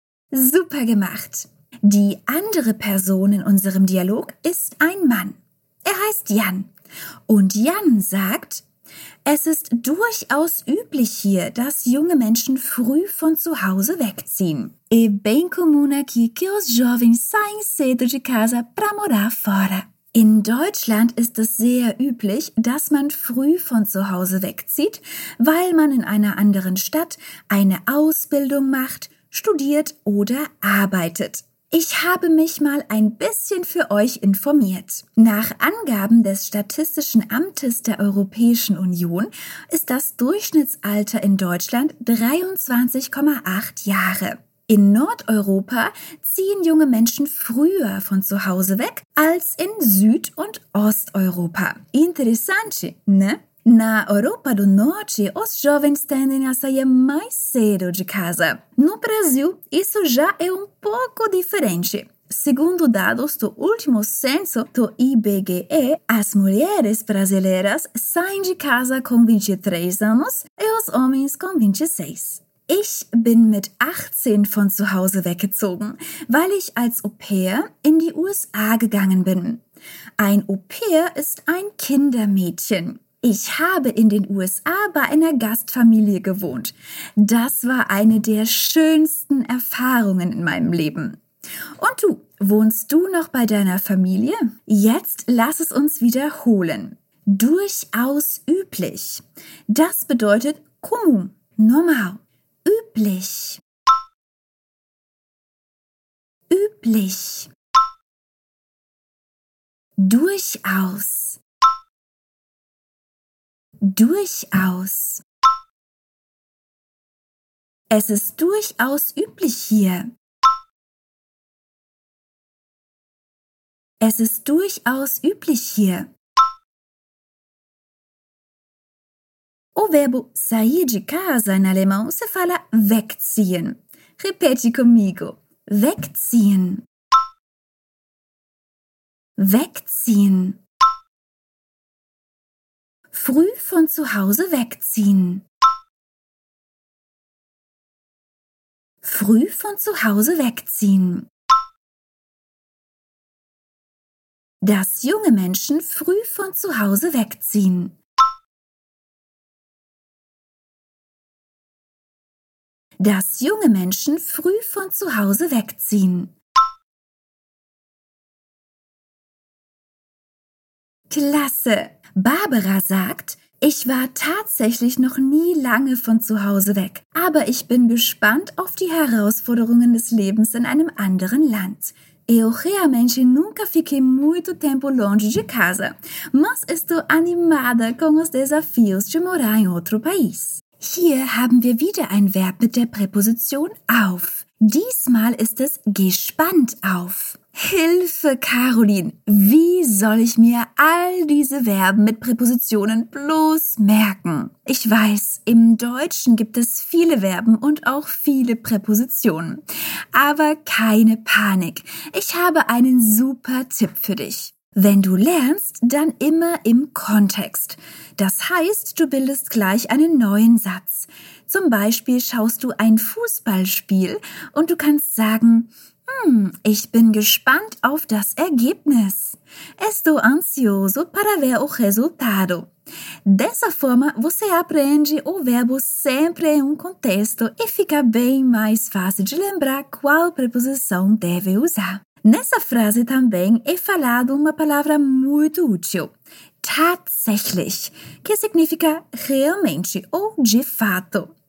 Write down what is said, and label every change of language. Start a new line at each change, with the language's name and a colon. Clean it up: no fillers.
German: Super gemacht! Die andere Person in unserem Dialog ist ein Mann. Er heißt Jan. Und Jan sagt, es ist durchaus üblich hier, dass junge Menschen früh von zu Hause wegziehen.
Portuguese: É bem comum aqui que os jovens saem cedo de casa para morar fora.
German: In Deutschland ist es sehr üblich, dass man früh von zu Hause wegzieht, weil man in einer anderen Stadt eine Ausbildung macht, studiert oder arbeitet. Ich habe mich mal ein bisschen für euch informiert. Nach Angaben des Statistischen Amtes der Europäischen Union ist das Durchschnittsalter in Deutschland 23,8 Jahre. In Nordeuropa ziehen junge Menschen früher von zu Hause weg als in Süd- und Osteuropa.
Portuguese: Interessante, ne? Na Europa do Norte, os jovens tendem a sair mais cedo de casa. No Brasil, isso já é pouco diferente. Segundo dados do último censo do IBGE, as mulheres brasileiras saem de casa com 23 anos e os homens com 26.
German: Ich bin mit 18 von zu Hause weggezogen, weil ich als Au-pair in die USA gegangen bin. Ein Au-pair ist ein Kindermädchen. Ich habe in den USA bei einer Gastfamilie gewohnt. Das war eine der schönsten Erfahrungen in meinem Leben. Und du, wohnst du noch bei deiner Familie? Jetzt lass es uns wiederholen. Durchaus üblich. Das bedeutet
Portuguese: comum, normal.
German: Üblich. Üblich. Durchaus. Durchaus. Es ist durchaus üblich hier. Es ist durchaus üblich hier.
Portuguese: O verbo sair de casa em alemão se fala wegziehen. Repete comigo. Wegziehen.
German: Wegziehen. Früh von zu Hause wegziehen. Früh von zu Hause wegziehen. Dass junge Menschen früh von zu Hause wegziehen. Dass junge Menschen früh von zu Hause wegziehen. Klasse! Barbara sagt, ich war tatsächlich noch nie lange von zu Hause weg, aber ich bin gespannt auf die Herausforderungen des Lebens in einem anderen Land.
Portuguese: Eu realmente nunca fiquei muito tempo longe de casa, mas estou animada com os desafios de morar em outro país.
German: Hier haben wir wieder ein Verb mit der Präposition auf. Diesmal ist es gespannt auf. Hilfe, Caroline, wie soll ich mir all diese Verben mit Präpositionen bloß merken? Ich weiß, im Deutschen gibt es viele Verben und auch viele Präpositionen. Aber keine Panik, ich habe einen super Tipp für dich. Wenn du lernst, dann immer im Kontext. Das heißt, du bildest gleich einen neuen Satz. Zum Beispiel schaust du ein Fußballspiel und du kannst sagen, ich bin gespannt auf das Ergebnis.
Portuguese: Estou ansioso para ver o resultado. Dessa forma, você aprende o verbo sempre em contexto e fica bem mais fácil de lembrar qual preposição deve usar. Nessa frase também é falado uma palavra muito útil, tatsächlich, que significa realmente ou de fato.